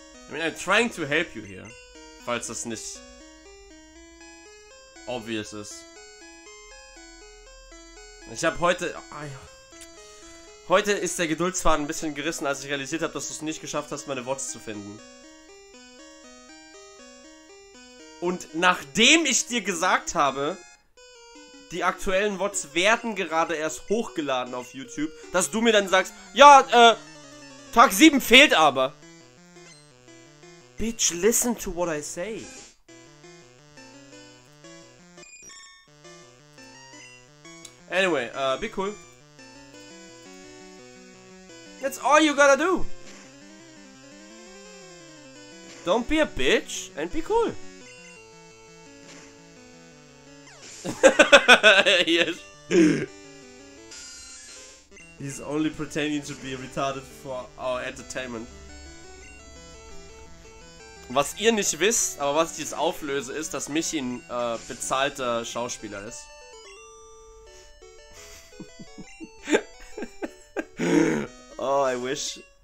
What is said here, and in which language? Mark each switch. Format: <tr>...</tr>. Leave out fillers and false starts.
<en>I mean, I'm trying to help you here,</en> <de>falls das nicht obvious ist. Ich habe heute... Heute ist der Geduldsfaden ein bisschen gerissen, als ich realisiert habe, dass du es nicht geschafft hast, meine Worte zu finden. Und nachdem ich dir gesagt habe, die aktuellen Worte werden gerade erst hochgeladen auf YouTube, dass du mir dann sagst, ja, Tag 7 fehlt aber.</de> <en>Bitch, listen to what I say. Anyway, be cool. That's all you gotta do. Don't be a bitch and be cool. Yes. He's only pretending to be retarded for our entertainment.</en> <de>Was ihr nicht wisst, aber was ich jetzt auflöse, ist, dass Michi ein bezahlter Schauspieler ist.</de> <en>Oh, I wish.</en>